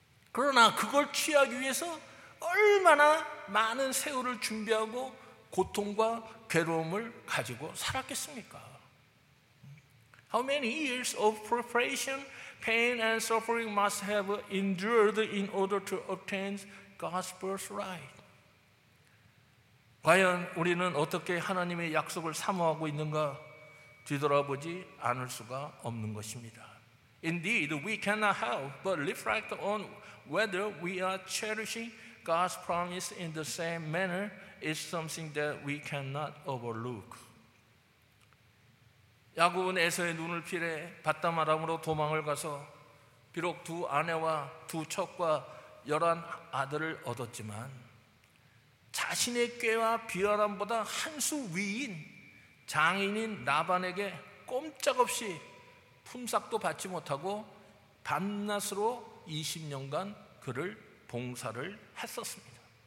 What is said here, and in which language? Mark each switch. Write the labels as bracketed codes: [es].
[ko] 그러나 그걸 취하기 위해서 얼마나 많은 세월을 준비하고 고통과 괴로움을 가지고 살았겠습니까? [en] How many years of preparation, pain and suffering must have endured in order to obtain God's birthright? [ko] 과연 우리는 어떻게 하나님의 약속을 사모하고 있는가 뒤돌아보지 않을 수가 없는 것입니다. [en] Indeed, we cannot help but reflect on whether we are cherishing God's promise in the same manner is something that we cannot overlook. [ko] 야곱은 에서의 눈을 피해 밧다마람으로 도망을 가서 비록 두 아내와 두 첩과 열한 아들을 얻었지만 자신의 꾀와 비열함보다 한 수 위인 장인인 라반에게 꼼짝없이 품삯도 받지 못하고 밤낮으로 20년간 그를 봉사를 했었습니다.